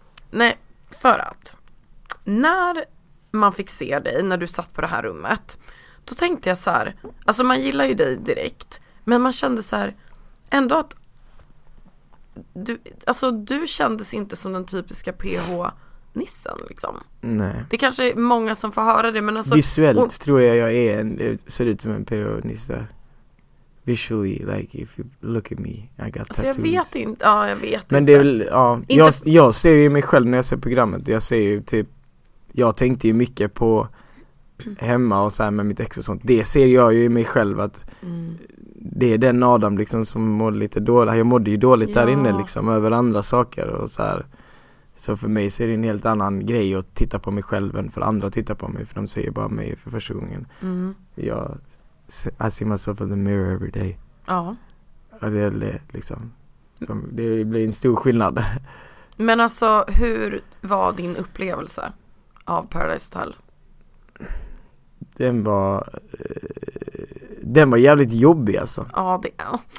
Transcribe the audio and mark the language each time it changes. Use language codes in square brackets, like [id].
[sv] Nej, för att när man fick se dig, när du satt på det här rummet, då tänkte jag så här, alltså man gillar ju dig direkt, men man kände så här ändå att du, alltså du kändes inte som den typiska PH-nissen liksom. Nej. Det kanske är många som får höra det, men alltså visuellt tror jag är en, ser ut som en PH-nissa. [en] Visually, like if you look at me, I got [sv] alltså [en] tattoos. [sv] Jag vet inte, ja jag vet. Men inte. Det är väl, ja, jag ser ju mig själv när jag ser programmet. Jag ser ju typ, jag tänkte ju mycket på hemma och så här med mitt ex och sånt. Det ser jag ju i mig själv att det är den Adam liksom som mådde lite dåligt. Jag mådde ju dåligt där inne liksom över andra saker och så här. Så för mig så är det en helt annan grej att titta på mig själv än för andra att titta på mig. För de ser ju bara mig för första gången. Mm. Jag, [en] I see myself in the mirror every day. [sv] Ja. Och det är liksom, som, det blir en stor skillnad. Men alltså, hur var din upplevelse av Paradise Hotel? Den var jävligt jobbig alltså. Ja, det är.